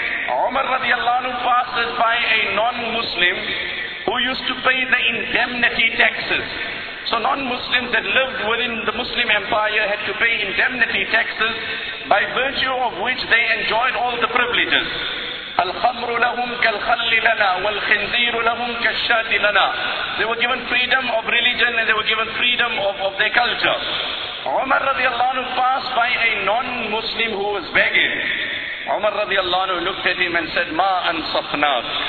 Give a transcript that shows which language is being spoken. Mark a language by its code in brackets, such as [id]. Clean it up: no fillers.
[en] Umar radiallahu anhu passes by a non-Muslim who used to pay the indemnity taxes. So non-Muslims that lived within the Muslim empire had to pay indemnity taxes by virtue of which they enjoyed all the privileges. [ar] الخمر لهم كالخل لنا والخنزير لهم كالشاة لنا. [en] They were given freedom of religion and they were given freedom of their culture. Umar radiallahu anhu passed by a non-Muslim who was begging. Umar radiallahu anhu looked at him and said, [ar] Ma ansafnaak.